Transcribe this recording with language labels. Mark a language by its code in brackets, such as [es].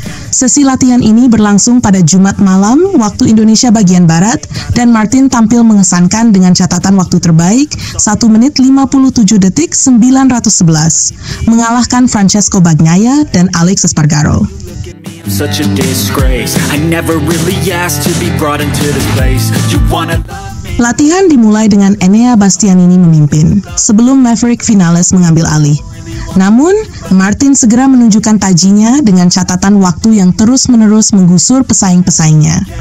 [id] Sesi latihan ini berlangsung pada Jumat malam waktu Indonesia bagian Barat, dan Martin tampil mengesankan dengan catatan waktu terbaik 1 menit 57 detik 911, mengalahkan Francesco Bagnaia dan Alex Espargaro. [en] Such a disgrace. I never really asked to be brought into this place. You wanna... [id] Latihan dimulai dengan Enea Bastianini memimpin, sebelum Maverick Vinales mengambil alih. Namun, Martin segera menunjukkan tajinya dengan catatan waktu yang terus-menerus menggusur pesaing-pesaingnya.